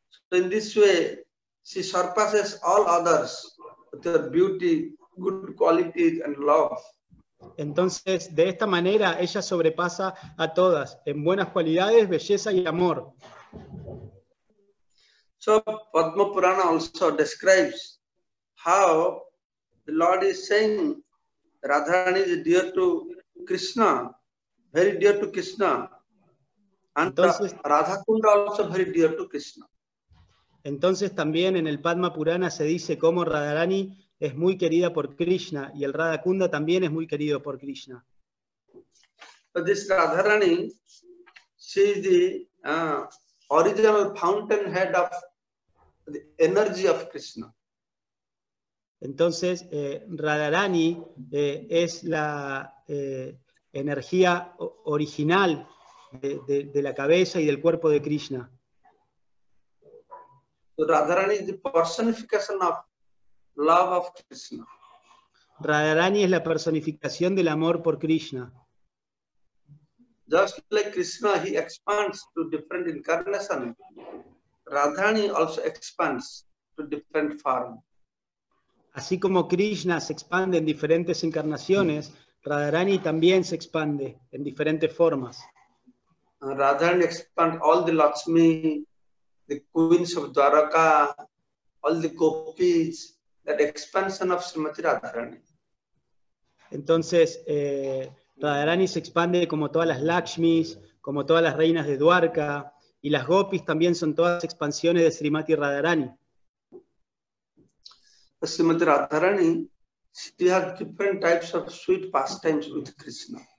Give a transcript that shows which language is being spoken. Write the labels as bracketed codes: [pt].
[en] So in this way, she surpasses all others with her beauty, good qualities, and love. [es] Entonces, de esta manera, ella sobrepasa a todas en buenas cualidades, belleza y amor. [en] So Padma Purana also describes how the Lord is saying Radharani is dear to Krishna, very dear to Krishna. And entonces, Radha Kunda also very dear to Krishna. [es] Entonces también en el Padma Purana se dice cómo Radharani es muy querida por Krishna y el Radha Kunda también es muy querido por Krishna. [en] But this Radharani, she is the original fountainhead of the energy of Krishna. [es] Entonces, Radharani es la energía original de la cabeza y del cuerpo de Krishna. [en] Radharani is the personification of love of Krishna. [es] Radharani es la personificación del amor por Krishna. [en] Just like Krishna, he expands to different incarnations. Radharani also expands to different forms. [es] Así como Krishna se expande en diferentes encarnaciones, Radharani también se expande en diferentes formas. [en] Radharani expand all the Lakshmi, the queens of Dwaraka, all the gopis, that expansion of Srimati Radharani. [es] Entonces, Radharani se expande como todas las Lakshmis, como todas las reinas de Dwarka, y las gopis también son todas expansiones de Srimati Radharani. [en] Srimati Radharani, she has different types of sweet pastimes with Krishna.